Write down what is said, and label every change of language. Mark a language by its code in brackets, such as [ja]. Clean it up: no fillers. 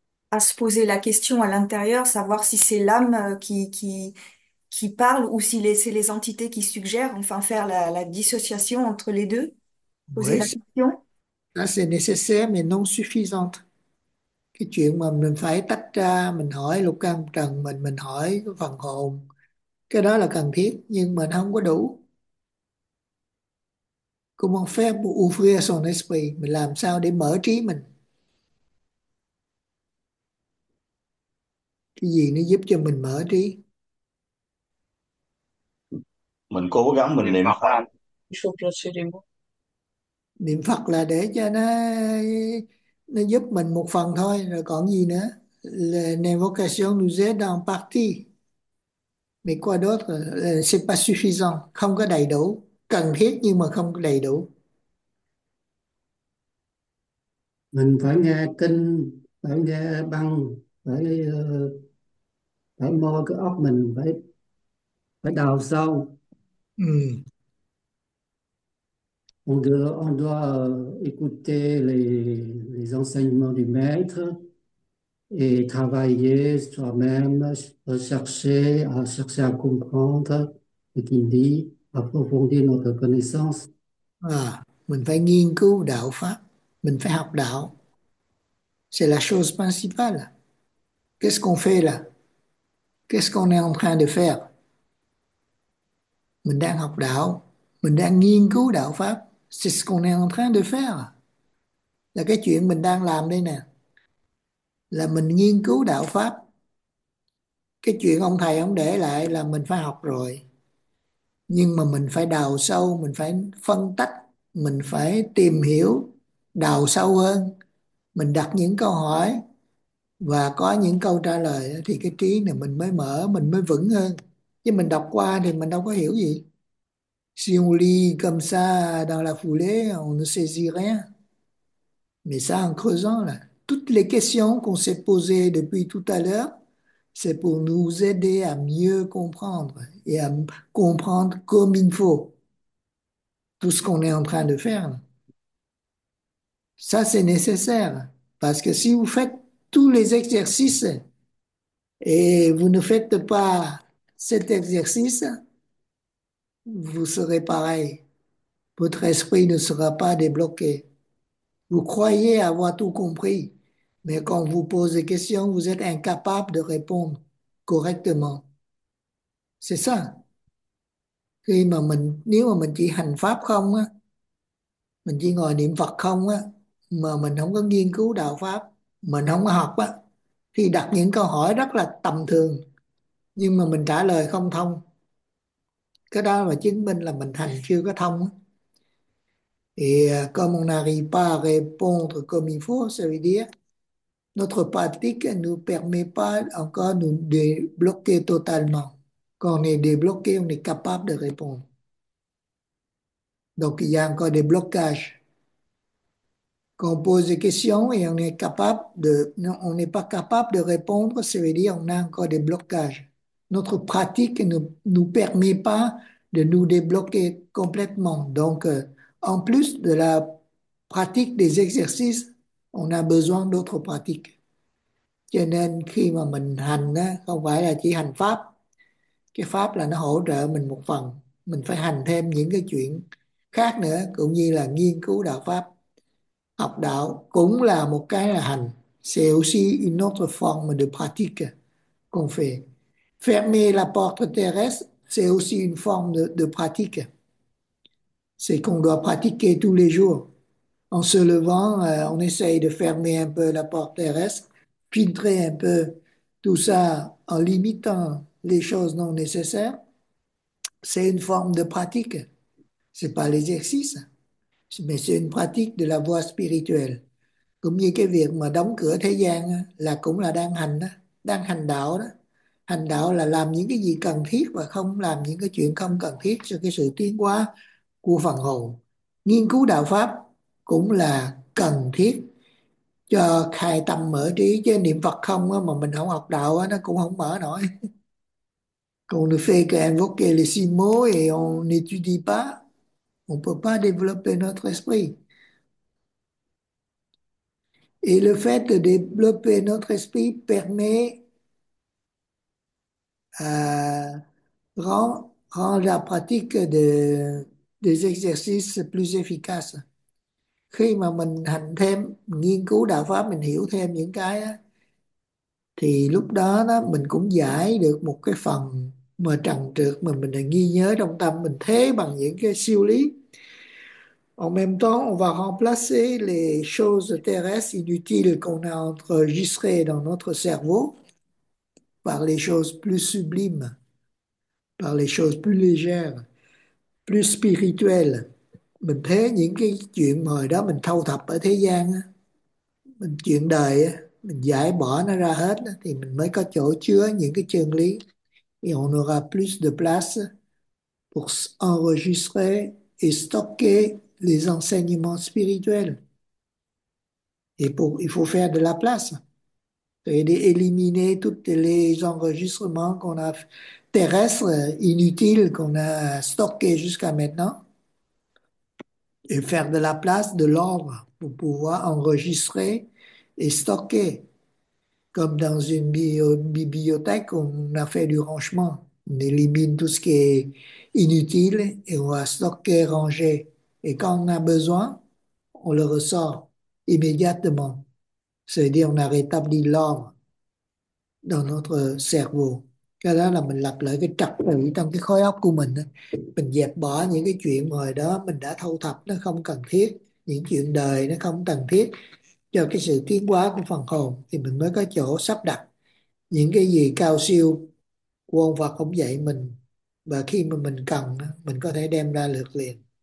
[fr] À se poser la question à l'intérieur, savoir si c'est l'âme qui parle ou si c'est les entités qui suggèrent, enfin faire la dissociation entre les deux, poser Oui, la question. ça c'est nécessaire mais non suffisante. [vi] Cái chuyện mà mình phải tách ra, mình hỏi lục căn trần, mình hỏi phần hồn, cái đó là cần thiết nhưng mình không có đủ. [fr] Comment faire pour ouvrir son esprit? [vi] Mình làm sao để mở trí mình? Cái gì nó giúp cho mình mở trí? Mình cố gắng mình niệm Phật. Niệm Phật là để cho nó giúp mình một phần thôi, rồi còn gì nữa? [fr] L'invocation nous aide en partie. Mais quoi d'autre? C'est pas suffisant, [vi] không có đầy đủ. Cần thiết nhưng mà không đầy đủ. Mình phải nghe kinh, phải nghe băng, phải mô cái óc mình, phải phải đào sâu. [fr] On doit écouter les enseignements du maître et travailler soi-même, chercher à comprendre ce qu'il dit, approfondir notre connaissance. [vi] À, mình phải nghiên cứu đạo pháp, mình phải học đạo. [fr] C'est la chose principale. Qu'est-ce qu'on fait là? Qu'est-ce qu'on est en train de faire? [vi] Mình đang học đạo, mình đang nghiên cứu đạo pháp. [fr] C'est ce qu'on est en train de faire. [vi] Là cái chuyện mình đang làm đây nè. Là mình nghiên cứu đạo pháp. Cái chuyện ông thầy ông để lại là mình phải học rồi. Nhưng mà mình phải đào sâu, mình phải phân tách, mình phải tìm hiểu, đào sâu hơn. Mình đặt những câu hỏi và có những câu trả lời thì cái trí này mình mới mở, mình mới vững hơn. Chứ mình đọc qua thì mình đâu có hiểu gì. [fr] Si on lit comme ça dans la foulée, on ne saisit rien. Mais ça, en creusant, là, toutes les questions qu'on s'est posées depuis tout à l'heure, c'est pour nous aider à mieux comprendre et à comprendre comme il faut tout ce qu'on est en train de faire. Ça, c'est nécessaire. Parce que si vous faites tous les exercices et vous ne faites pas cet exercice, vous serez pareil. Votre esprit ne sera pas débloqué. Vous croyez avoir tout compris. Mais quand vous posez des questions, vous êtes incapable de répondre correctement. C'est ça. [vi] Khi mà mình nếu mà mình chỉ hành pháp không á, mình chỉ ngồi niệm Phật không á, mà mình không có nghiên cứu đạo pháp, mình không có học á, thì đặt những câu hỏi rất là tầm thường, nhưng mà mình trả lời không thông. Cái đó là chứng minh là mình hành chưa có thông á. [fr] Et comme on n'arrive pas à répondre comme il faut, ça veut dire notre pratique ne nous permet pas encore de nous débloquer totalement. Quand on est débloqué, on est capable de répondre. Donc, il y a encore des blocages. Qu'on pose des questions et on est capable de, non, on n'est pas capable de répondre, ça veut dire on a encore des blocages. Notre pratique ne nous permet pas de nous débloquer complètement. Donc, en plus de la pratique des exercices, on a besoin d'autres pratiques. [vi] Cho nên khi mà mình hành á, không phải là chỉ hành pháp. Cái pháp là nó hỗ trợ mình một phần. Mình phải hành thêm những cái chuyện khác nữa, cũng như là nghiên cứu đạo pháp. Học đạo cũng là một cái là hành. [fr] C'est aussi une autre forme de pratique qu'on fait. Fermer la porte terrestre, c'est aussi une forme de pratique. C'est qu'on doit pratiquer tous les jours. En se levant, on essaye de fermer un peu la porte terrestre, filtrer un peu tout ça en limitant les choses non nécessaires. C'est une forme de pratique. Ce n'est pas l'exercice, mais c'est une pratique de la voie spirituelle. [vi] Cũng như cái việc mà đóng cửa thế gian là cũng là đang hành đó, đang hành đạo đó. Hành đạo là làm những cái gì cần thiết và không làm những cái chuyện không cần thiết cho cái sự tiến hóa của phần hồn. Nghiên cứu đạo pháp cũng là cần thiết cho khai tâm mở trí, chứ niệm Phật không mà mình không học đạo nó cũng không mở nổi. Còn [fr] le fait qu'invoquer les six mots et on n'étudie pas, on ne peut pas développer notre esprit. Et le fait de développer notre esprit permet, rend la pratique des exercices plus efficace. [vi] Khi mà mình hành thêm, nghiên cứu đạo pháp, mình hiểu thêm những cái á, thì lúc đó đó mình cũng giải được một cái phần mà trần trược mà mình đã ghi nhớ trong tâm mình thế bằng những cái siêu lý. [fr] En même temps, on va remplacer les choses terrestres inutiles qu'on a enregistrées dans notre cerveau par les choses plus sublimes, par les choses plus légères, plus spirituelles. [vi] Mình thấy những cái chuyện hồi đó mình thâu thập ở thế gian, mình chuyện đời, mình giải bỏ nó ra hết thì mình mới có chỗ chứa những cái chân lý. [fr] Et on aura plus de place pour enregistrer et stocker les enseignements spirituels. Il faut faire de la place. Et éliminer tous les enregistrements qu'on a terrestres, inutiles, qu'on a stockés jusqu'à maintenant. Et faire de la place, de l'ordre, pour pouvoir enregistrer et stocker. Comme dans une bibliothèque, on a fait du rangement. On élimine tout ce qui est inutile et on va stocker, ranger. Et quand on a besoin, on le ressort immédiatement. C'est-à-dire qu'on a rétabli l'ordre dans notre cerveau. [vi] Cái đó là mình lập lại cái trật tự trong cái khối óc của mình. Mình dẹp bỏ những cái chuyện hồi đó mình đã thâu thập nó không cần thiết, những chuyện đời nó không cần thiết cho cái sự tiến hóa của phần hồn, thì mình mới có chỗ sắp đặt những cái gì cao siêu của ông Phật ông dạy mình, và khi mà mình cần mình có thể đem ra lượt liền.